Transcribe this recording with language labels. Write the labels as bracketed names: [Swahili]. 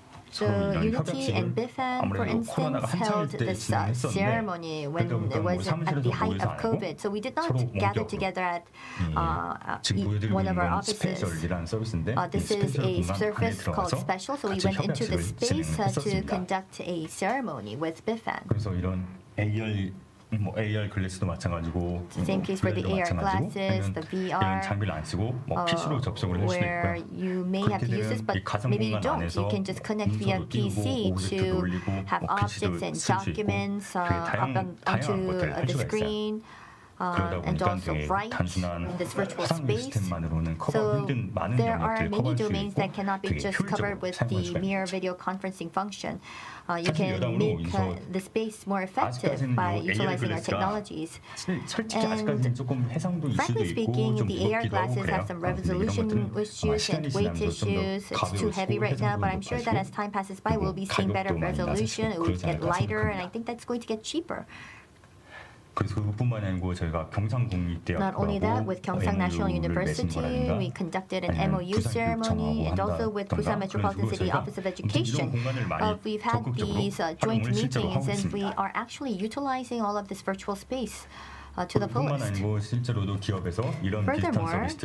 [English] So, Unity and BIFAN, for instance, held this ceremony when it was at the height of COVID. So, we did not gather together at one of our offices. This is a service called Special. So, we went into the space to conduct a ceremony with BIFAN. [Korean] AR 글래스도 마찬가지고 [English] same case for the AR glasses, the VR [Korean] 이런 장비를 안 쓰고 뭐 PC로 접속을 할 수 있고요. [English] Where you may have to use this, but maybe you don't. You can just connect via PC to have objects and documents onto the screen. And also write in this virtual space. So there are many domains that cannot be just covered with the mere video conferencing function. You can make the space more effective by utilizing our technologies. And frankly speaking, the AR glasses have some resolution issues and weight issues. It's too heavy right now, but I'm sure that as time passes by, we'll be seeing better resolution. It will get lighter, and I think that's going to get cheaper. [Korean] 그뿐만 아니고 저희가 경상 국립대학교하고 [English] Not only that, with Gyeongsang National University, we conducted an MOU ceremony, and also with Busan Metropolitan City Office of Education. We've had these joint meetings, and we are actually utilizing all of this virtual space. To the fullest. Furthermore,